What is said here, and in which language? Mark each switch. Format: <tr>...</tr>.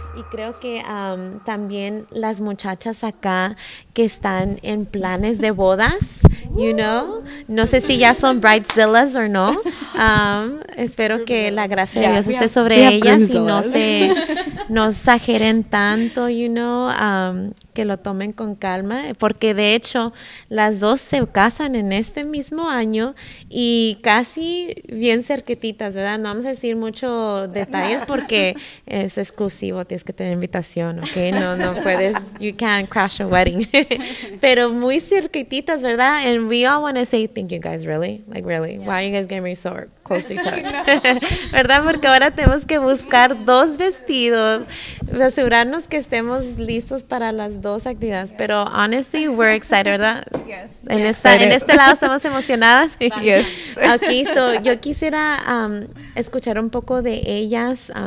<es>Creo que también las muchachas acá que están en planes de bodas, you know, no sé si ya son bridezillas o no, espero que la gracia de Dios esté sobre ellas y no exageren tanto, you know, que lo tomen con calma, porque de hecho las dos se casan en este mismo año y casi bien cerquititas, ¿verdad? No vamos a decir muchos detalles porque es exclusivo, tienes que tener invitación, ¿ok? No puedes,</es> <en>you can't crash a wedding,</en> <es>pero muy cerquititas, ¿verdad?</es> <en>And we all want to say, thank you guys, really? Like, really? Yeah. Why are you guys getting married so close to each other? ¿Verdad?</en> <es>Porque ahora tenemos que buscar dos vestidos, asegurarnos que estemos listos para las dos actividades.</es> <en>Yeah. Pero honestly, we're excited, ¿verdad? Yes.</en> <es>En este lado estamos emocionadas.</es> <en>Yes.</en> <es>Ok, so yo quisiera escuchar un poco de ellas.</es>